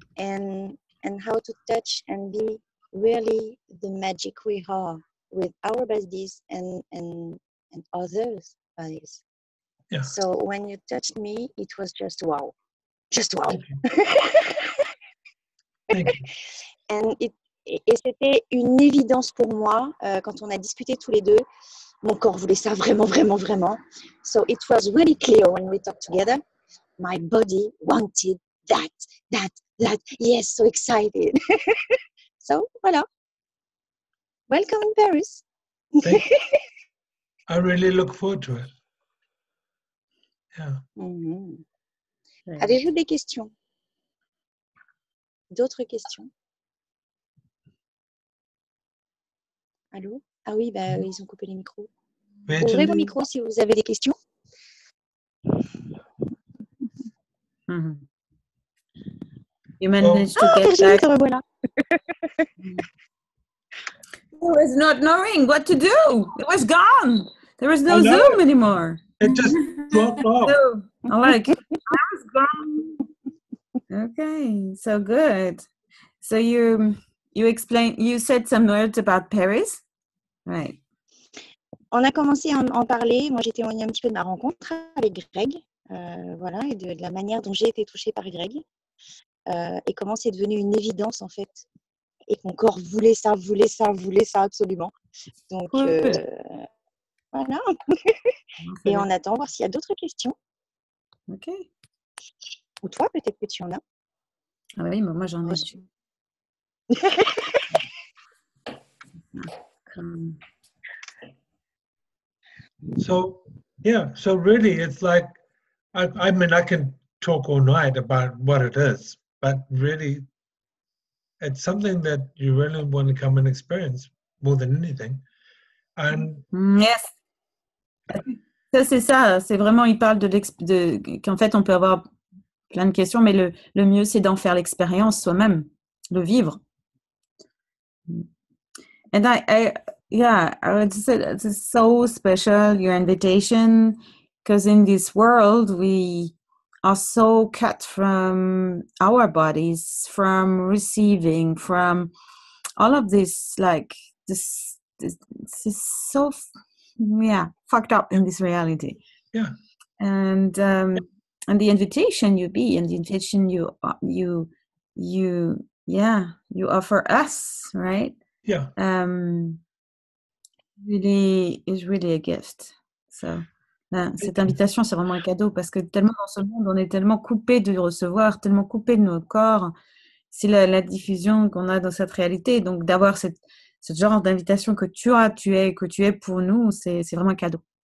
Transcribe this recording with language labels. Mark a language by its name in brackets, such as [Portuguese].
[English] and how to touch and be really the magic we are with our bodies and others' bodies. Yeah. So when you touched me, it was just wow. Just wow. Thank you. Thank you. [French] Et c'était une évidence pour moi quand on a discuté tous les deux. Mon corps voulait ça vraiment, vraiment, vraiment. [English] So it was really clear when we talked together. My body wanted that. Yes, so excited. So, voilà. Welcome in Paris. Thank you. I really look forward to it. Yeah. [French] Mm-hmm. Avez-vous des questions? D'autres questions? Allô? Ah oui, bah, ils ont coupé les micros. Mais ouvrez vos micros si vous avez des questions. [English] You managed to get back. [French] Te revoilà. [English] I was not knowing what to do. It was gone. There was no Zoom anymore. It just dropped off. So, I'm like, I was gone. Okay, so good. So you explained, you said some words about Paris, right? [French] On a commencé à en parler. Moi, j'ai témoigné un petit peu de ma rencontre avec Greg, voilà, et de la manière dont j'ai été touchée par Greg, et comment c'est devenu une évidence, en fait, et que mon corps voulait ça absolument. Donc, voilà. Et on attend voir s'il y a d'autres questions. OK. Ou toi, peut-être que tu en as. Ah oui, moi, j'en ai su. [English] So, yeah, so really it's like, I mean, I can talk all night about what it is, but really it's something that you really want to come and experience more than anything. And [French] yes. Ça, c'est ça. C'est vraiment, il parle de qu'en fait, on peut avoir plein de questions, mais le mieux, c'est d'en faire l'expérience soi-même, le vivre. [English] And it's so special, your invitation, because in this world, we are so cut from our bodies, from receiving, from all of this, like, this is so, fucked up in this reality. Yeah. And and the invitation you be, and the invitation you offer us, right? Yeah. Really is really a gift. [French] So, cette invitation, c'est vraiment un cadeau parce que tellement dans ce monde, on est tellement coupé de recevoir, tellement coupé de nos corps. C'est la diffusion qu'on a dans cette réalité. Donc, d'avoir ce genre d'invitation que tu es pour nous, c'est vraiment un cadeau.